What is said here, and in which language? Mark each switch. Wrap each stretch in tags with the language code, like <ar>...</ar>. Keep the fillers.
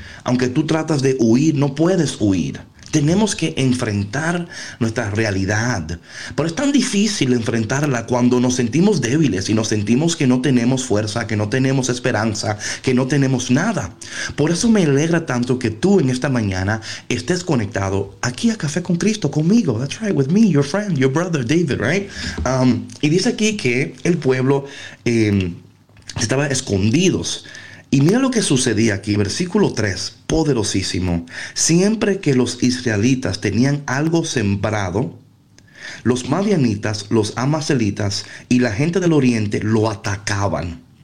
<es>Aunque tú tratas de huir, no puedes huir. Tenemos que enfrentar nuestra realidad. Pero es tan difícil enfrentarla cuando nos sentimos débiles y nos sentimos que no tenemos fuerza, que no tenemos esperanza, que no tenemos nada. Por eso me alegra tanto que tú en esta mañana estés conectado aquí a Café con Cristo, conmigo.</es> <en>That's right, with me, your friend, your brother David, right?</en> <es>Um, y dice aquí que el pueblo eh, estaba escondidos. Y mira lo que sucedía aquí, versículo 3, poderosísimo. Siempre que los israelitas tenían algo sembrado, Los madianitas, los amacelitas y la gente del oriente lo atacaban.</es>